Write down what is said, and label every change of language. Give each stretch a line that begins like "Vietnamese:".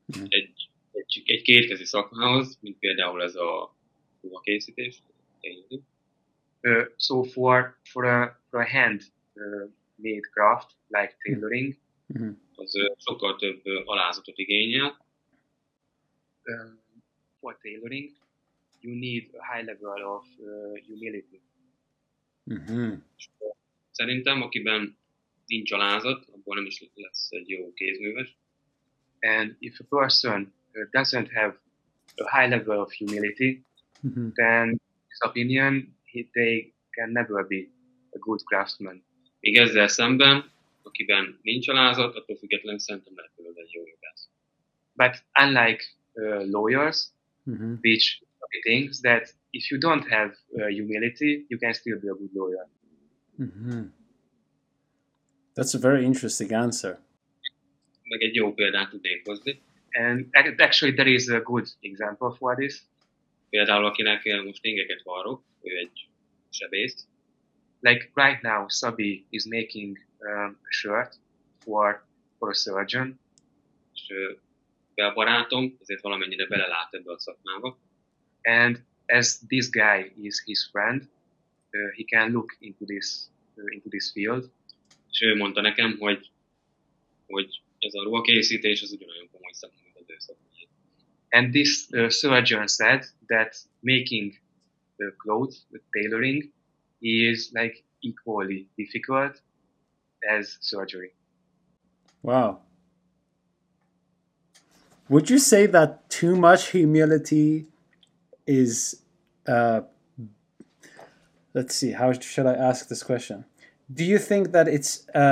Hungarian: egy kétkezi szakmához, mint például ez a ruhakészítés.
English: So for a hand made craft, like tailoring,
Hungarian: az sokkal több alázatot igényel.
English: For tailoring, you need a high level of humility.
Hungarian: Szerintem, akiben nincs alázat, abból nem is lesz egy jó kézműves.
English: And if a person doesn't have a high level of humility, then his opinion, they can never be a good craftsman.
Hungarian: Még ezzel szemben, akiben nincs alázat, attól függetlenül szerintem lehet belőle egy jó jogász.
English: But unlike lawyers, which thinks that if you don't have humility, you can still be a good lawyer. That's a very interesting answer.
Hungarian: Meg egy jó példát tudnék hozni.
English: And actually there is a good example for this.
Hungarian: Például akinek most ingeket varrok, ő egy sebész.
English: Like right now, Szabi is making a shirt for a surgeon.
Hungarian: És a barátom, ezért valamennyire belelát ebbe a szakmába.
English: And as this guy is his friend, he can look into this field.
Hungarian: És ő mondta nekem, hogy ez a ruhakészítés az ugyanolyan komoly szakma, mint az ő szakmája.
English: And this surgeon said that making the clothes, the tailoring, is like equally difficult as surgery. Wow. Would you say that too much humility is, let's see, how should I ask this question? Do you think that it's